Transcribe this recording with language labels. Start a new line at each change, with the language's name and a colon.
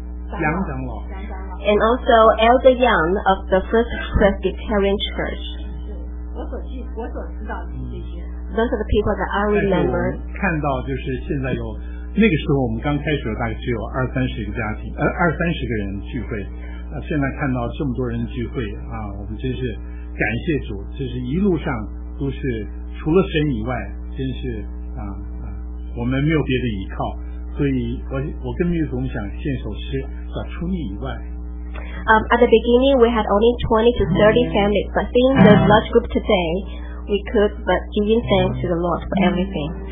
English: and also Elder Young of the First Presbyterian Church. Those are the people that I remember.
Chinese: 看到就是现在有那个时候我们刚开始的大概只有二三十个家庭，二三十个人聚会，现在看到这么多人聚会啊，我们真是感谢主，就是一路上都是除了神以外，真是我们没有别的依靠，所以我跟牧师想献首诗，叫除你以外。
English: At the beginning we had only 20 to 30 families, but seeing the large group today, we could but giving thanks to the Lord for everything.